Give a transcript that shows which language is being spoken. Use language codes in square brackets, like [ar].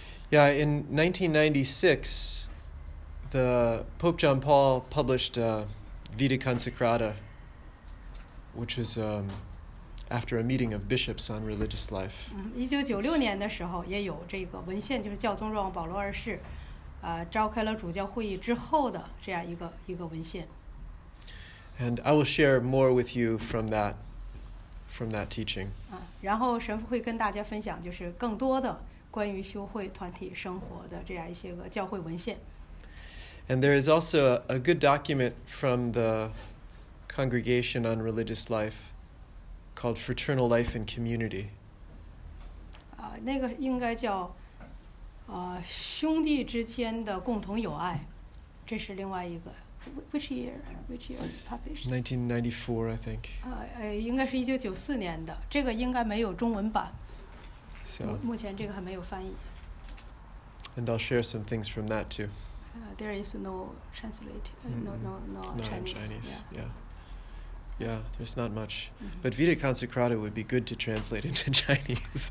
[en] Yeah, in 1996, the Pope John Paul published Vita Consecrata, which was after a meeting of bishops on religious life. [zh] 1996年的时候也有这个文献，就是教宗若望保罗二世，召开了主教会议之后的这样一个文献。 [en] And I will share more with you from that teaching. [zh] 然后神父会跟大家分享，就是更多的。关于修会团体生活的这样一些个教会文献。 [en] And there is also a good document from the Congregation on Religious Life called Fraternal Life and Community. [zh] 那个应该叫兄弟之间的共同友爱，这是另外一个。 [en] Which year was published? 1994, I think. [zh] 应该是1994年的，这个应该没有中文版。 [en] So, [zh] 目前这个还没有翻译。 [en] And I'll share some things from that too. There is no translate. It's not in Chinese. There's not much. Mm-hmm. But Vita Consecrata would be good to translate into Chinese.